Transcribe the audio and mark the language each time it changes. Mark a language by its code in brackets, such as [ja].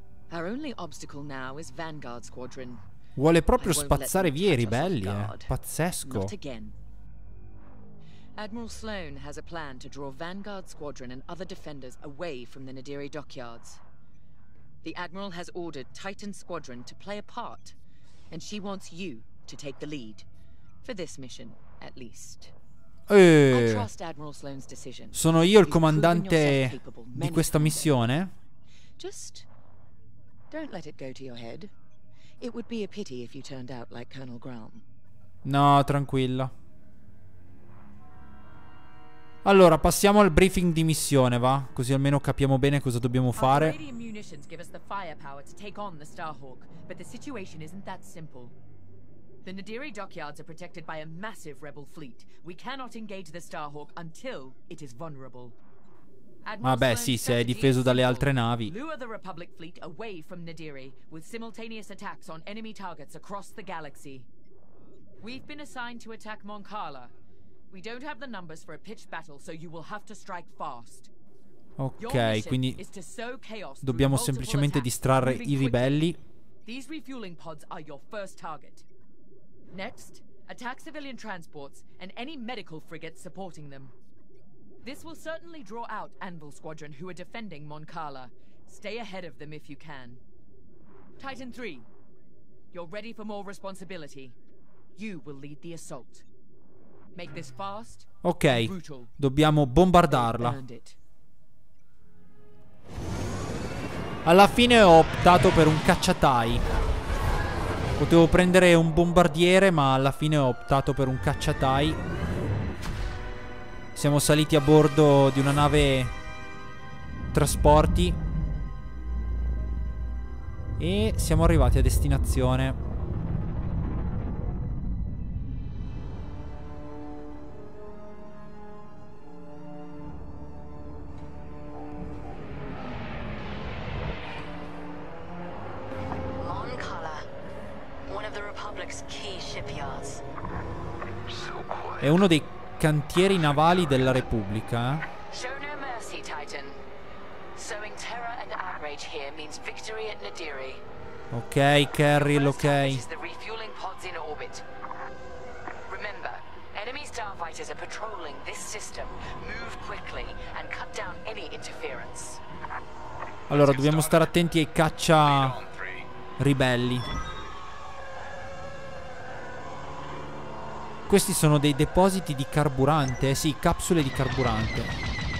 [en] Our only obstacle now is Vanguard Squadron. [it] Vuole proprio spazzare via i ribelli, pazzesco. [en] Admiral Sloane has a plan to draw Vanguard Squadron and other defenders away from the Nadiri dockyards. The Admiral has ordered Titan Squadron to play a part, and she wants you to take the lead. For this mission, at least. Trust Admiral Sloane's decision. [it] Sono io il comandante di questa missione? [en] Just don't let it go to your head. It would be a pity if you turned out like Colonel Graham. [it] No, tranquilla. Allora, passiamo al briefing di missione, va? Così almeno capiamo bene cosa dobbiamo fare. [en] Our radium munitions give us the firepower to take on the Starhawk, but the situation isn't that simple. The Nadiri dockyards are protected by a massive rebel fleet. We cannot engage the Starhawk until it is vulnerable. [it] Vabbè, sì, se è difeso dalle altre navi. [en] Lure the Republic fleet away from Nadiri with simultaneous attacks on enemy targets across the galaxy. We've been assigned to attack Mon Cala. We don't have the numbers for a pitched battle, so you will have to strike fast. [it] Ok, quindi dobbiamo semplicemente distrarre i ribelli. [en] These refueling pods are your first target. Next, attack civilian transports and any medical frigates supporting them. This will certainly draw out Anvil Squadron, who are defending Mon Cala. Stay ahead of them if you can. Titan 3, you're ready for more responsibility. You will lead the assault. Make this fast. [it] Ok, dobbiamo bombardarla. Alla fine ho optato per un cacciatai. Potevo prendere un bombardiere, ma alla fine ho optato per un cacciatai. Siamo saliti a bordo di una nave trasporti e siamo arrivati a destinazione. [en] Mon Cala, one of the Republic's key shipyards. [it] È uno dei cantieri navali della Repubblica. [en] Show no mercy, Titan. Sowing terror and outrage here means victory at Nadiri. [it] Ok, Kerrill, ok. [en] The refueling pods in orbit. Remember, enemy starfighters are patrolling this system. Move quickly and cut down any interference. [it] Allora, dobbiamo stare attenti ai caccia ribelli. Questi sono dei depositi di carburante, sì, capsule di carburante.